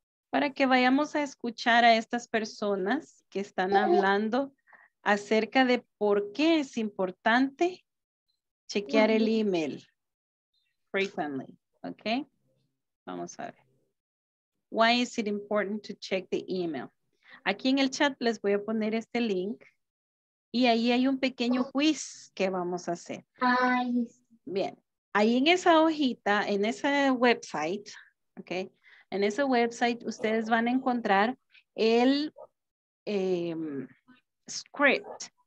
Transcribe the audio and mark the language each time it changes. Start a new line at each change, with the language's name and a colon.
Spanish: Para que vayamos a escuchar a estas personas que están hablando acerca de por qué es importante chequear el email
English: frequently.
Spanish: Okay. Vamos a ver.
English: Why is it important to check the email?
Spanish: Aquí en el chat les voy a poner este link. Y ahí hay un pequeño quiz que vamos a hacer. Bien. Ahí en esa hojita, en ese website, okay, en ese website ustedes van a encontrar el script.